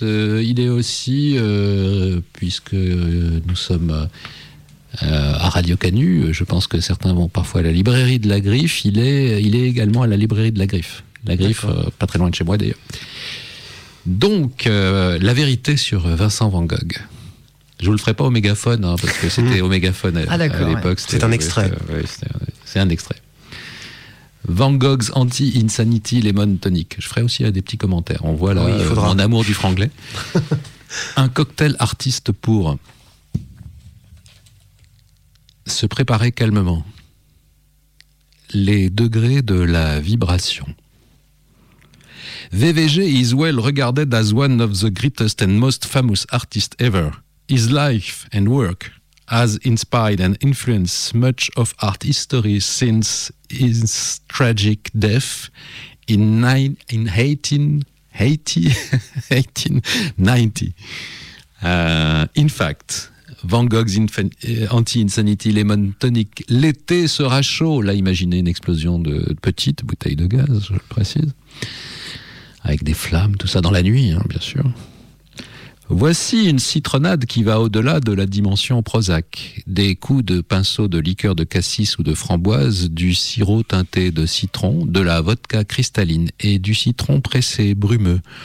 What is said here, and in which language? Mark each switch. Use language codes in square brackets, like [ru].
[fr] Il est aussi puisque nous sommes à Radio Canu, je pense que certains vont parfois à la librairie de la Griffe. Il est également à la librairie de la Griffe. La Griffe, pas très loin de chez moi d'ailleurs. Donc, la vérité sur Vincent Van Gogh. Je vous le ferai pas au mégaphone, hein, parce que c'était au mégaphone à l'époque. C'est un extrait. C'est un extrait. [en] Van Gogh's Anti-Insanity Lemon Tonic. [fr] Je ferai aussi des petits commentaires. On voit là, en amour du franglais. Un cocktail artiste pour... Se préparer calmement. Les degrés de la vibration. [en] VVG is well regarded as one of the greatest and most famous artists ever. His life and work has inspired and influenced much of art history since his tragic death in 1890. In fact, Van Gogh's Anti-Insanity Lemon Tonic. [fr] L'été sera chaud. Là, imaginez une explosion de petites bouteilles de gaz, je le précise. Avec des flammes, tout ça dans la nuit, hein, bien sûr. Voici une citronnade qui va au-delà de la dimension Prozac. Des coups de pinceau de liqueur de cassis ou de framboise, du sirop teinté de citron, de la vodka cristalline et du citron pressé brumeux.